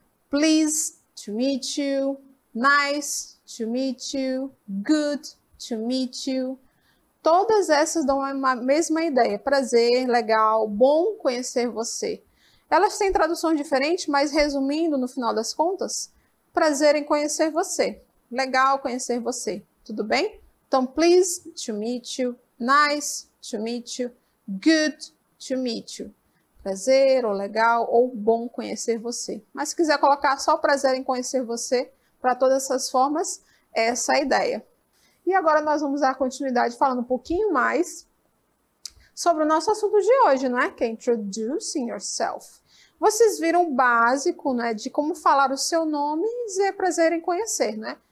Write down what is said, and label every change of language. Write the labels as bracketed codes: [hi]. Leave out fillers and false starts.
[en] Please to meet you. Nice to meet you. Good to meet you. [pt] Todas essas dão a mesma ideia. Prazer, legal, bom conhecer você. Elas têm traduções diferentes, mas resumindo no final das contas, prazer em conhecer você. Legal conhecer você, tudo bem? [en] Então, please to meet you, nice to meet you, good to meet you. [pt] Prazer, ou legal, ou bom conhecer você. Mas se quiser colocar só prazer em conhecer você, para todas essas formas, essa é a ideia. E agora nós vamos dar continuidade falando um pouquinho mais sobre o nosso assunto de hoje, né? Que é [en] introducing yourself. [pt] Vocês viram o básico, né, de como falar o seu nome e dizer prazer em conhecer, né?